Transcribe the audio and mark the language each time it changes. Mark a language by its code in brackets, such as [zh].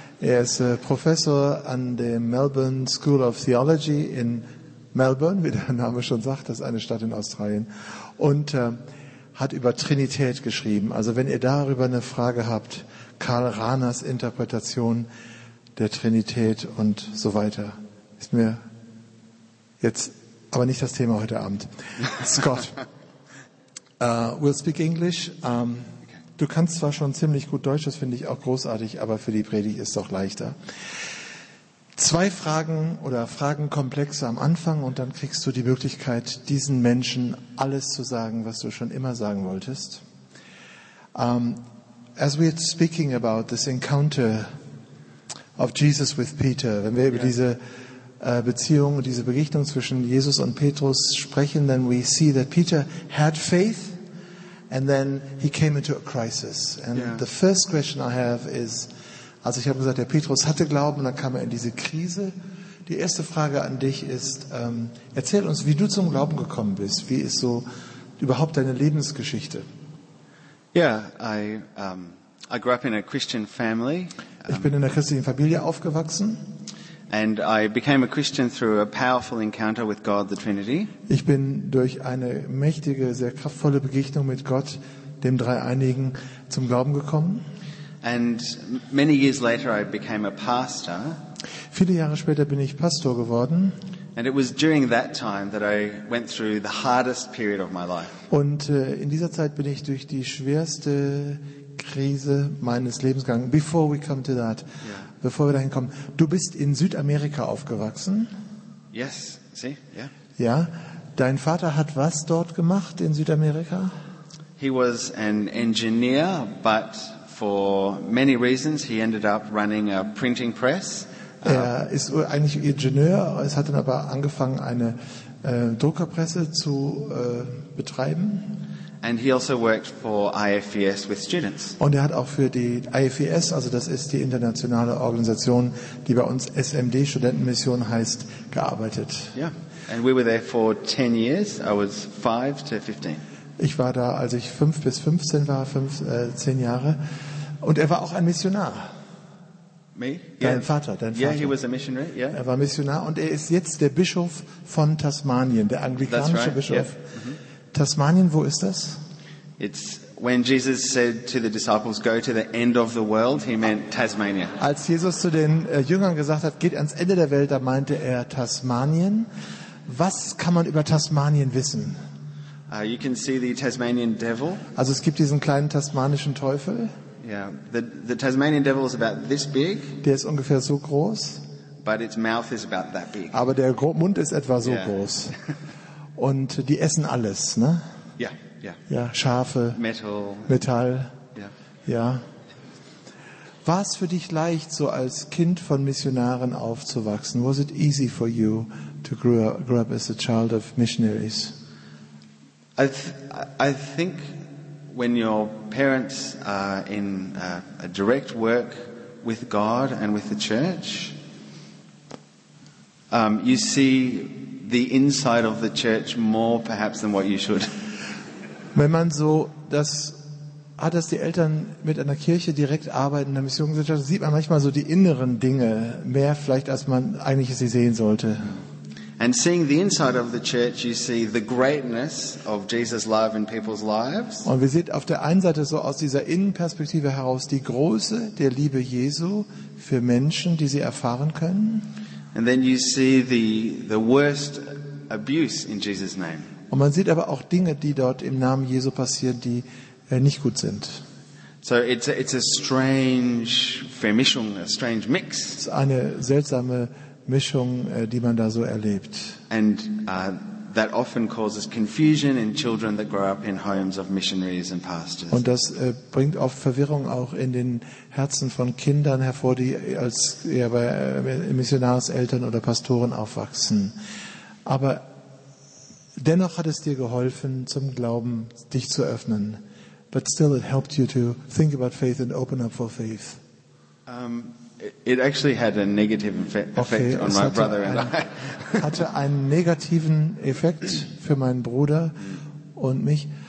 [de] Er ist Professor an der Melbourne School of Theology in Melbourne, wie der Name schon sagt, das ist eine Stadt in Australien, und hat über Trinität geschrieben. Also wenn ihr darüber eine Frage habt, Karl Rahners Interpretation der Trinität und so weiter, ist mir jetzt aber nicht das Thema heute Abend. [en] Scott, we'll speak English. [de] Du kannst zwar schon ziemlich gut Deutsch, das finde ich auch großartig, aber für die Predigt ist es doch leichter. Zwei Fragen oder Fragenkomplexe am Anfang und dann kriegst du die Möglichkeit, diesen Menschen alles zu sagen, was du schon immer sagen wolltest. [en] As we're speaking about this encounter of Jesus with Peter, [de] wenn wir über diese Beziehung, diese Begegnung zwischen Jesus und Petrus sprechen, [en] then we see that Peter had faith and then he came into a crisis. And the first question I have is, [de] also ich habe gesagt, der Petrus hatte Glauben, dann kam er in diese Krise. Die erste Frage an dich ist, erzähl uns, wie du zum Glauben gekommen bist. Wie ist so überhaupt deine Lebensgeschichte? [en] I grew up in a Christian family. [de] Ich bin in einer christlichen Familie aufgewachsen. [en] And I became a Christian through a powerful encounter with God, the Trinity. [de] Ich bin durch eine mächtige, sehr kraftvolle Begegnung mit Gott, dem Dreieinigen, zum Glauben gekommen. [en] And many years later I became a pastor. [de] Viele Jahre später bin ich Pastor geworden. [en] And it was during that time that I went through the hardest period of my life. [de] Und in dieser Zeit bin ich durch die schwerste Krise meines Lebens gegangen. [en] Before we come to that. [de] Bevor wir dahin kommen, du bist in Südamerika aufgewachsen? [en] Yes, see? Yeah. [de] Ja, dein Vater hat was dort gemacht in Südamerika? [en] He was an engineer, but for many reasons he ended up running a printing press. [de] Er ist eigentlich Ingenieur, es hat dann aber angefangen eine Druckerpresse zu betreiben. [en] And he also worked for IFES with students. [de] Und er hat auch für die IFES, also das ist die internationale Organisation, die bei uns SMD Studentenmission heißt, gearbeitet. [en] Yeah. And we were there for 10 years. I was 5 to 15. [de] Ich war da, als ich 5 bis 15 war, 10 Jahre. Und er war auch ein Missionar. [en] Me? [de] Dein Vater. [en] Yeah, he was a missionary. Yeah. [de] Er war Missionar und er ist jetzt der Bischof von Tasmanien, der anglikanische Bischof. [en] Yeah. [de] Tasmanien, wo ist das? [en] It's when Jesus said to the disciples, go to the end of the world, he meant Tasmania. [de] Als Jesus zu den Jüngern gesagt hat, geht ans Ende der Welt, da meinte er Tasmanien. Was kann man über Tasmanien wissen? [en] You can see the Tasmanian devil. [de] Also es gibt diesen kleinen tasmanischen Teufel. [en] Yeah, the Tasmanian devil is about this big. [de] Der ist ungefähr so groß. [en] But its mouth is about that big. [de] Aber der Mund ist etwa so groß. Und die essen alles, ne? Ja. Schafe. Metall. Ja. War es für dich leicht, so als Kind von Missionaren aufzuwachsen? [en] Was it easy for you to grow up as a child of missionaries? I think when your parents are in a direct work with God and with the church, you see the inside of the church more perhaps than what you should. [de] Wenn man so das hat, dass die Eltern mit einer Kirche direkt arbeiten, in der Missionsgesellschaft, sieht man manchmal so die inneren Dinge mehr vielleicht, als man eigentlich sie sehen sollte. [en] And seeing the inside of the church, you see the greatness of Jesus' love in people's lives. [de] Und wir sehen auf der einen Seite so aus dieser Innenperspektive heraus die Größe der Liebe Jesu für Menschen, die sie erfahren können. [en] And then you see the worst abuse in Jesus' name. [de] Und man sieht aber auch Dinge, die dort im Namen Jesu passieren, die nicht gut sind. [en] So it's a strange Vermischung, a strange mix. [de] Es ist eine seltsame Mischung, die man da so erlebt. [en] And that often causes confusion in children that grow up in homes of missionaries and pastors. [de] Und das bringt oft Verwirrung auch in den Herzen von Kindern hervor, die als eher bei Missionarseltern oder Pastoren aufwachsen. Aber dennoch hat es dir geholfen, zum Glauben dich zu öffnen. [en] But still it helped you to think about faith and open up for faith. It actually had a negative effect on my brother and I. [de] Hatte einen negativen Effekt für meinen Bruder und mich.